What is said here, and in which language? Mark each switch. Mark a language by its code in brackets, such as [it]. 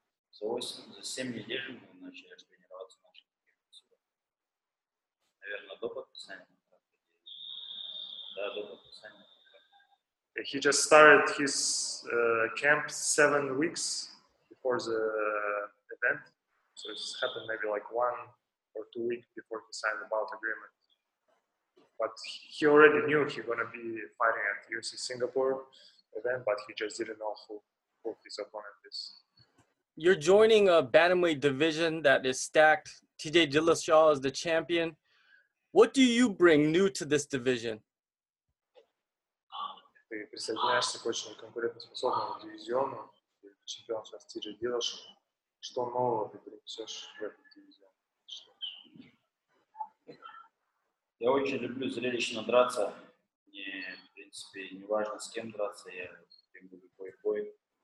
[ru] За 8, за 7 недель мы начали тренироваться в нашем тренировке. Наверное, до подписания контракта. Да, до подписания контракта. [en] He just started his camp 7 weeks before the event. So it happened maybe like 1 or 2 weeks before he signed the bout agreement. But he already knew he was going to be fighting at UFC Singapore event, but he just didn't know who his opponent is. You're joining a bantamweight division that is stacked. TJ Dillashaw is the champion. What do you bring new to this division? [ru] Ты присоединяешься к очень конкурентоспособному дивизиону. Чемпион сейчас TJ Dillashaw. Что нового ты принесешь в этот дивизион? Я очень люблю зрелищно драться. Мне, в принципе, не важно, с кем драться, я люблю любой бой.